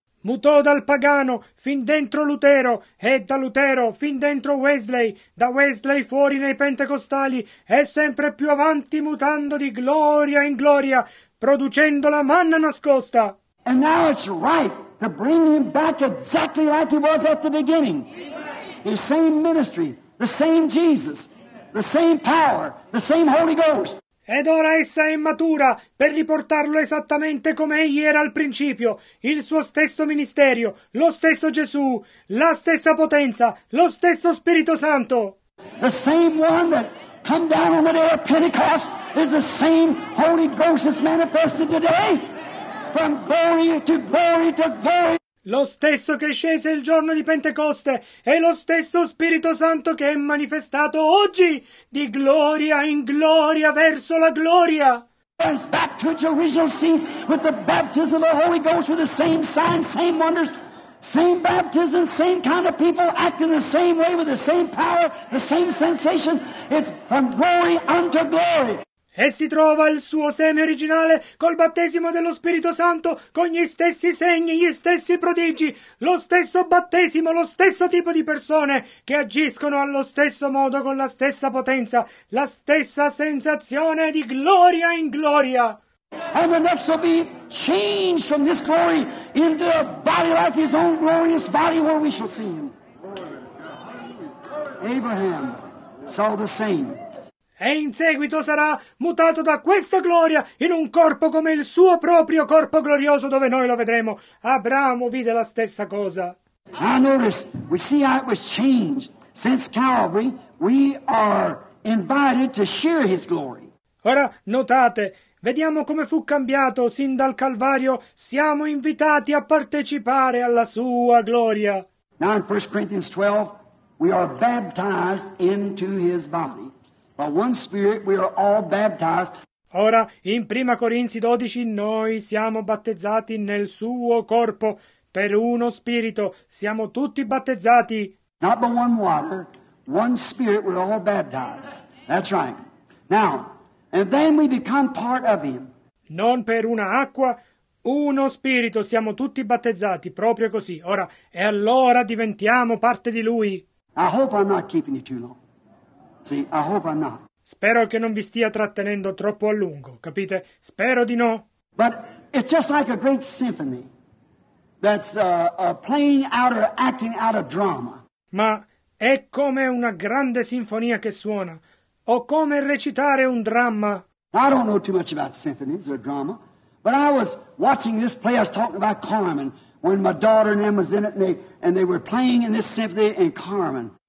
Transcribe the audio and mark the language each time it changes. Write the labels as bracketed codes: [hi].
[it] Mutò dal pagano fin dentro Lutero, e da Lutero fin dentro Wesley, da Wesley fuori nei pentecostali, e sempre più avanti mutando di gloria in gloria, producendo la manna nascosta. [en] And now it's right to bring him back exactly like he was at the beginning. The same ministry, the same Jesus, the same power, the same Holy Ghost. [it] Ed ora essa è matura per riportarlo esattamente come egli era al principio, il suo stesso ministerio, lo stesso Gesù, la stessa potenza, lo stesso Spirito Santo. [en] The same one that come down on the day of Pentecost is the same Holy Ghost that's manifested today, from glory to glory to glory. [it] Lo stesso che scese il giorno di Pentecoste è lo stesso Spirito Santo che è manifestato oggi di gloria in gloria verso la gloria. [en] It's back to its original seat with the baptism of the Holy Ghost with the same signs, same wonders, same baptism, same kind of people acting the same way with the same power, the same sensation. It's from glory unto glory. [it] E si trova il suo seme originale col battesimo dello Spirito Santo, con gli stessi segni, gli stessi prodigi, lo stesso battesimo, lo stesso tipo di persone che agiscono allo stesso modo, con la stessa potenza, la stessa sensazione di gloria in gloria. [en] And the next will be changed from this glory into a body like his own glorious body, where we shall see him. Abraham saw the same. [it] E in seguito sarà mutato da questa gloria in un corpo come il suo proprio corpo glorioso, dove noi lo vedremo. Abramo vide la stessa cosa. [en] Now notice, we see how it was changed. Since Calvary, we are invited to share his glory. [it] Ora notate, vediamo come fu cambiato sin dal Calvario. Siamo invitati a partecipare alla sua gloria. [en] Now in 1 Corinthians 12, we are baptized into his body. By one spirit we are all baptized. [it] Ora in 1 Corinzi 12 noi siamo battezzati nel suo corpo per uno spirito, siamo tutti battezzati. [en] Not by one water, one spirit we're all baptized. That's right. Now, and then we become part of him. [it] Non per una acqua, uno spirito, siamo tutti battezzati, proprio così. Ora, e allora diventiamo parte di lui. [en] I hope I'm not keeping you too long. See, I hope I'm not. [it] Spero che non vi stia trattenendo troppo a lungo, capite? Spero di no. [en] But it's just like a great symphony that's playing out or acting out a drama. [it] Ma è come una grande sinfonia che suona, o come recitare un dramma. [en] I don't know too much about symphonies or drama, but I was watching this play. I was talking about Carmen when my daughter and them was in it, and they were playing in this symphony in Carmen.